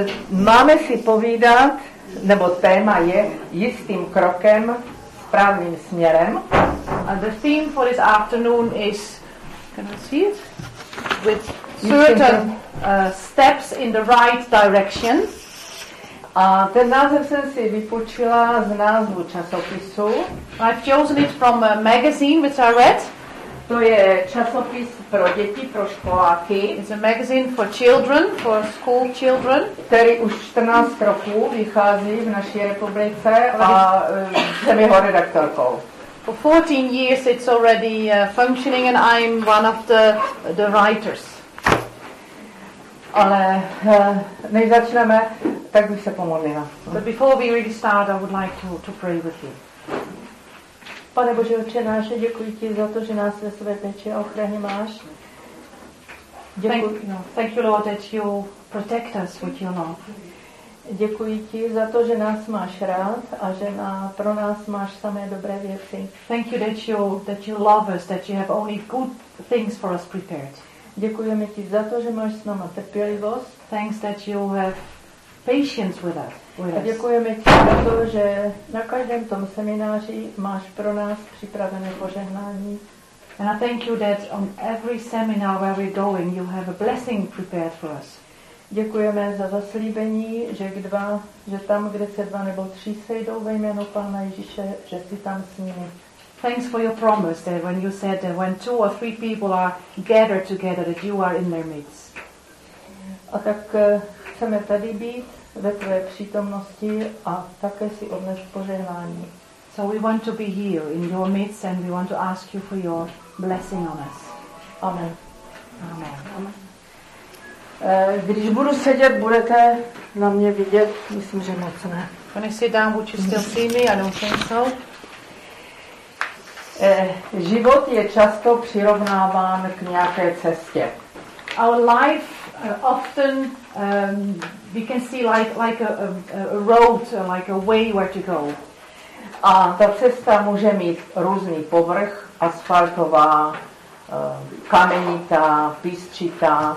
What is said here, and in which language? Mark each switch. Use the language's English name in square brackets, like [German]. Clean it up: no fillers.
[Czech] Máme si povídat, nebo téma je jistým krokem správným směrem. [English] And the theme for this afternoon is, can I see it? With certain steps in the right direction. [Czech] A ten název jsem si vypůjčila z názvu časopisu. [English] I've chosen it from a magazine which I read. [Czech] To je časopis pro děti, pro školáky. [English] It's a magazine for children, for school children. [Czech] Který už 14 roků vychází v naší republice a jsem jeho redaktorkou. [English] For 14 years it's already functioning and I'm one of the writers. [Czech] Ale než začneme, tak bych se pomodlila. [English] But before we really start, I would like to pray with you. [Czech] Pane Bože, Otče náše, děkuji ti za to, že nás ve své péči a ochraně máš. [English] Thank you, Lord, that you protect us with your love. [Czech] Děkuji ti za to, že nás máš rád a že pro nás máš samé dobré věci. [English] Thank you that you love us, that you have only good things for us prepared. [Czech] Děkujeme ti za to, že máš s náma trpělivost. [English] Thanks that you have patience with us. [Czech] A děkujeme ti za to, že na každém tom semináři máš pro nás připravené požehnání. [English] And I thank you that on every seminar where we're going, you have a blessing prepared for us. [Czech] Děkujeme za zaslíbení, že tam, kde se dva nebo tři sejdou ve jménu Pána Ježíše, že jsi tam s nimi. [English] Thanks for your promise that when you said that when two or three people are gathered together, that you are in their midst. [Czech] A tak chceme tady být ve tvé přítomnosti a také si odnes požehnání. [English] So we want to be here in your midst and we want to ask you for your blessing on us. Amen. Amen. Amen. [Czech] Když budu sedět, budete na mě vidět? Myslím, že moc ne. [English] When I sit down, would you still see me? I don't think so. [Czech] Život je často přirovnáván k nějaké cestě. [English] Our life often we can see like a road, like a way where to go. [Czech] A ta cesta může mít různý povrch, asfaltová, kamenitá, písčitá.